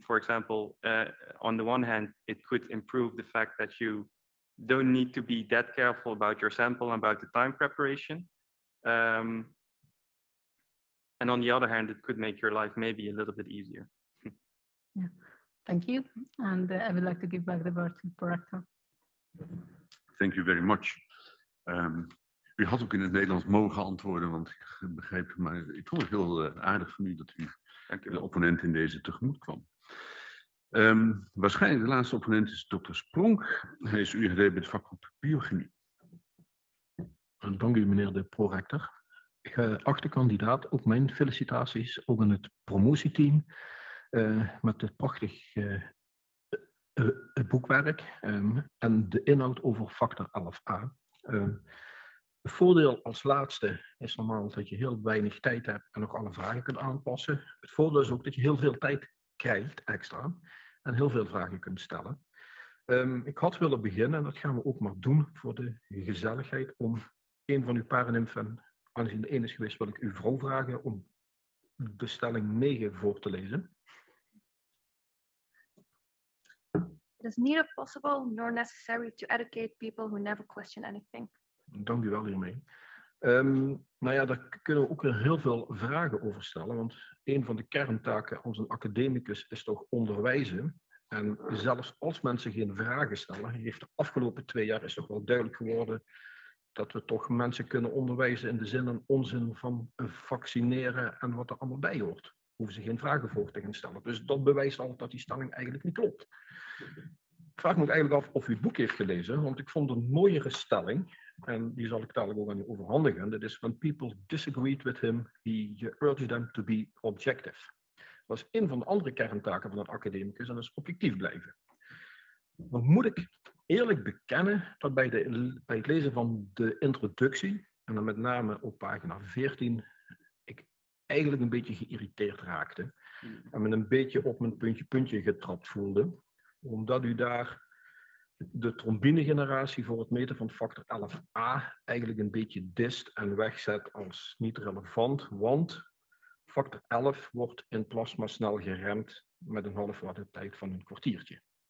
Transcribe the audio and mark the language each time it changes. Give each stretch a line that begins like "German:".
English: For example, on the one hand, it could improve the fact that you don't need to be that careful about your sample and about the time preparation. And on the other hand, it could make your life maybe a little bit easier. Yeah, thank you. And I would like to give back the word to Prorector. Thank you very much.
Dutch: U had ook in het Nederlands mogen antwoorden, want ik begreep, maar ik vond het heel aardig van u dat u de opponent in deze tegemoet kwam. Waarschijnlijk de laatste opponent is dokter Spronk. Hij is UGD bij het vakgroep Biochemie. Dank u, meneer de Prorector. Geachte kandidaat, ook mijn felicitaties, ook aan het promotieteam. Met het prachtig boekwerk en de inhoud over factor 11a. Het voordeel als laatste is normaal dat je heel weinig tijd hebt en nog alle vragen kunt aanpassen. Het voordeel is ook dat je heel veel tijd krijgt extra en heel veel vragen kunt stellen. Ik had willen beginnen, en dat gaan we ook maar doen voor de gezelligheid, om een van uw paranymfen, aangezien de een is geweest, wil ik uw vrouw vragen om de stelling 9 voor te lezen.
English: It is neither possible nor necessary to educate people who never question anything.
Dutch: Dank u wel hiermee. Daar kunnen we ook weer heel veel vragen over stellen. Want een van de kerntaken als een academicus is toch onderwijzen. En zelfs als mensen geen vragen stellen, heeft de afgelopen 2 jaar is toch wel duidelijk geworden dat we toch mensen kunnen onderwijzen in de zin en onzin van vaccineren en wat er allemaal bij hoort. Hoeven ze geen vragen voor te gaan stellen. Dus dat bewijst al dat die stelling eigenlijk niet klopt. Ik vraag me ook eigenlijk af of u het boek heeft gelezen, want ik vond een mooiere stelling, en die zal ik dadelijk ook aan u overhandigen. Dat is:
English: when people disagreed with him, he urged them to be objective.
Dutch: Dat is een van de andere kerntaken van een academicus, en dat is objectief blijven. Dan moet ik eerlijk bekennen dat bij het lezen van de introductie, en dan met name op pagina 14, ik eigenlijk een beetje geïrriteerd raakte en me een beetje op mijn puntje getrapt voelde, omdat u daar de trombinegeneratie voor het meten van factor 11a eigenlijk een beetje dist en wegzet als niet relevant, want factor 11 wordt in plasma snel geremd met een half watt tijd van een kwartiertje.